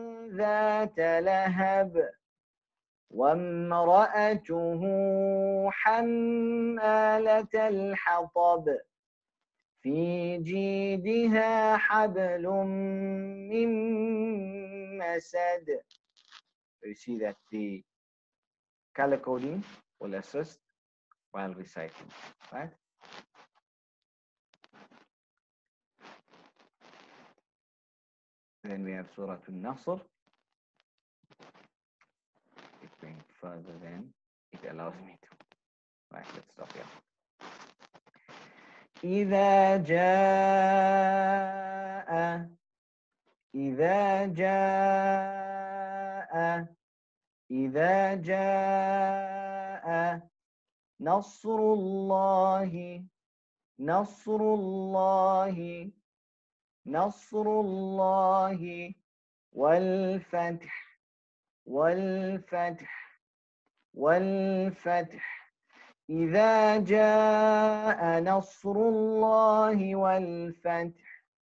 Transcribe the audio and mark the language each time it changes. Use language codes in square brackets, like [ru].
[ar] ذات لهب وامرأته حمالة الحطب في جيدها حبل من مسد. [en] You see that the color coding will assist while reciting, right? Then we have Surah Al-Nasr. It's going further than it allows me to. Right, let's stop here. [ar] إذا جاء إذا جاء إذا جاء نصر الله نصر الله نصر الله والفتح والفتح والفتح إذا جاء نصر الله والفتح